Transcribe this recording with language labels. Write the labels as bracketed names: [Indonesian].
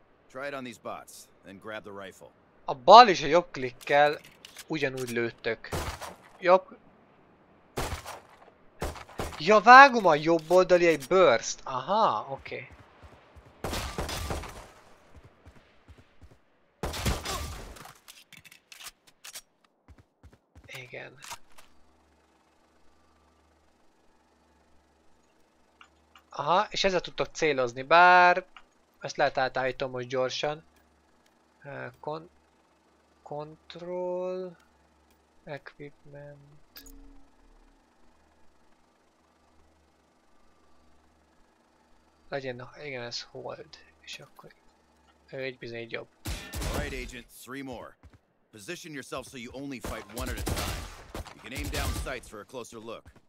[English] Try it on these bots, then grab the rifle. [Hungarian] A bal és a jobb klikkel ugyanúgy lőttök. Jobb... Ja, vágom a jobb oldali egy burst. Aha, oké. Okay. Igen. Aha, és ezzel tudtok célozni, bár... Ezt lehet átállítom most gyorsan. [English] Control equipment. [Hungarian] Legyen, igen, ez hold. És akkor egy bizony egy jobb. [English] All right, agent, three more. Position yourself so you only fight one at a time. You can aim down sights for a closer look.